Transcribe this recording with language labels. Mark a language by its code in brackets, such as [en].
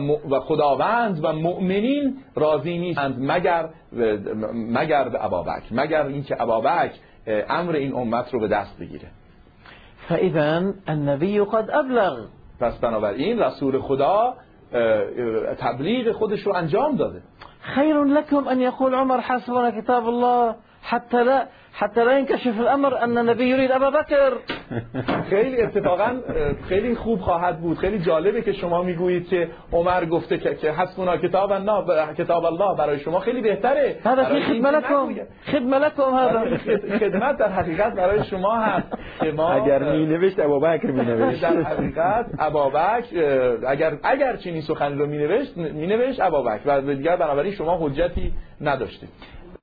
[fa] و خداوند و مؤمنین راضی نیستند مگر به ابا بکر، مگر اینکه ابا بکر امر این امت رو به دست بگیره. [ar] فإذا النبي قد أبلغ. [fa] پس بنابراین رسول خدا تبلیغ خودش رو انجام داده. [ar] خير لكم أن يقول عمر حسبنا كتاب الله حتی لا ينکشف الامر ان النبي يريد ابا بكر. [fa] خیلی اتفاقا خیلی خوب خواهد بود، خیلی جالبه که شما میگویید که عمر گفته که [ar] حسبنا کتاب الله کتاب الله [fa] برای شما خیلی بهتره. [ar] هذا في خدمتكم خدمتكم هذا [fa] خدمت در حقیقت برای شما هست که ما اگر می نوشت ابوبکر می نوشت در حقیقت ابوبکر اگر چنین سخن رو می نوشت ابوبکر و دیگر بنابراین شما حجتی نداشتید.